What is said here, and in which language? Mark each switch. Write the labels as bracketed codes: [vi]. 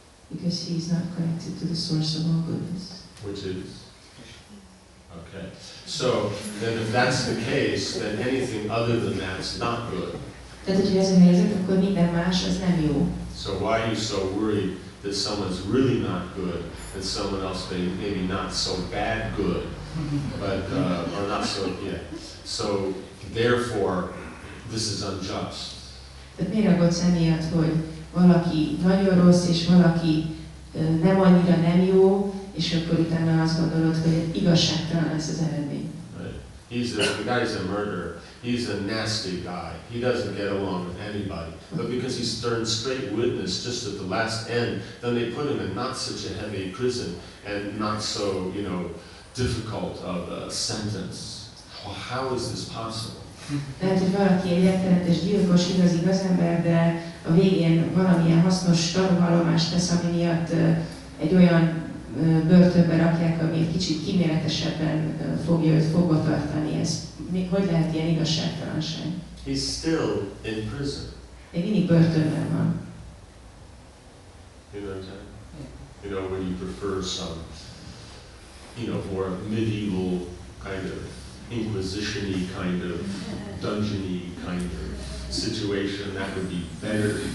[en] Because he is not connected to the source of all goodness. Which is? Okay. So, then if that's the case, then anything other than that's not good. [hu] Tehát, hogyha ez a helyzet, akkor minden más, az nem jó. [en] So why are you so worried that someone's really not good, and someone else maybe not so bad good, but, or not so, yeah. So, therefore, this is unjust. [hu] Tehát miért aggódsz emiatt, hogy valaki nagyon rossz, és valaki nem annyira nem jó, és akkor utána azt gondolod, hogy igazságtalan lesz az eredmény. [en] Right. He's the guy's a murderer. He's a nasty guy. He doesn't get along with anybody. But because he's turned straight witness just at the last end, then they put him in not such a heavy prison and not so, you know, difficult of a sentence. Well, how is this possible? [hu] Lehet, hogy valaki egy rettenetes gyilkos, igazi gazember, de a végén valamilyen hasznos tanúvallomást tesz, ami miatt egy olyan börtönbe rakják, ami egy kicsit kíméletesebben fogja őt fogva tartani. Ez hogy lehet ilyen igazságtalanság? [en] He's still in prison. [hu] Még mindig börtönben van. [en] You know, you know, when you prefer some, you know, more medieval kind of inquisition-y kind of dungeon-y kind of situation, that would be better.